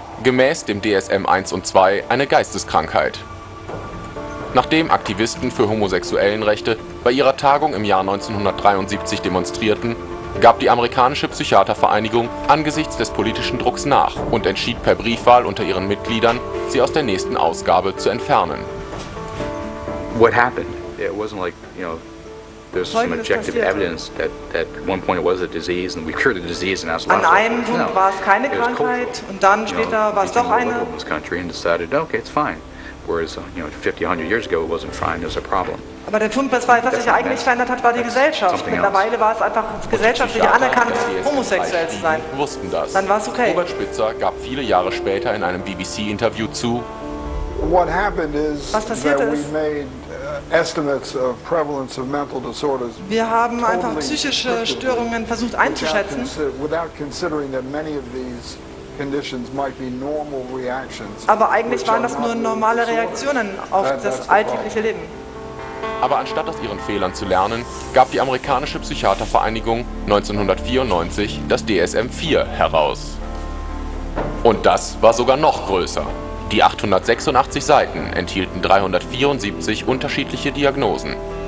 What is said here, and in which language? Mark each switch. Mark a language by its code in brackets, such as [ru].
[de] Gemäß dem DSM 1 und 2 eine Geisteskrankheit. Nachdem Aktivisten für Homosexuellenrechte bei ihrer Tagung im Jahr 1973 demonstrierten, gab die amerikanische Psychiatervereinigung angesichts des politischen Drucks nach und entschied per Briefwahl unter ihren Mitgliedern, sie aus der nächsten Ausgabe zu entfernen. [en] What happened? It wasn't like, you know, there's some objective evidence that at one point it was a disease and we cured the disease and that's [de] an einem Punkt war es keine Krankheit und dann später war es doch eine. [en] This country and decided, okay, it's fine. Whereas, you know, 50-100 years ago it wasn't fine, it was a problem. [de] Aber der Punkt, was sich eigentlich verändert hat, war die Gesellschaft. Mittlerweile war es einfach gesellschaftlich anerkannt, homosexuell zu sein. Wussten das. Dann war es okay. Robert Spitzer gab viele Jahre später in einem BBC-Interview zu: [en] What happened is that we made estimates of prevalence of mental disorders. [de] Wir haben einfach psychische Störungen versucht einzuschätzen, [en] without considering that many of these conditions might be normal reactions. [de] Aber eigentlich waren das nur normale Reaktionen auf das alltägliche Leben. Aber anstatt aus ihren Fehlern zu lernen, gab die amerikanische Psychiatervereinigung 1994 das DSM-4 heraus. Und das war sogar noch größer. Die 886 Seiten enthielten 374 unterschiedliche Diagnosen.